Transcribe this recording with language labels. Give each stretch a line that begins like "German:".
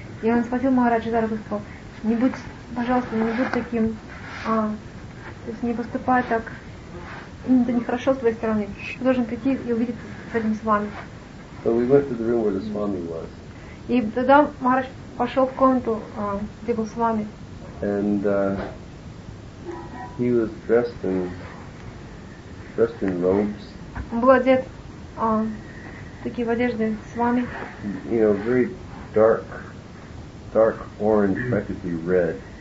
Russian: И он схватил Махараджа за руку и сказал, не будь, пожалуйста, не будь таким, то есть не поступай так, это нехорошо с твоей стороны, ты должен прийти и увидеться с этим Свами.
English: So we went to the room where the Swami was.
Russian: И тогда Махарадж пошел в комнату, где был Свами.
English: And he was dressed in robes.
Russian: Он был одет такие в одежды Свами.
English: You know, very dark orange, practically red.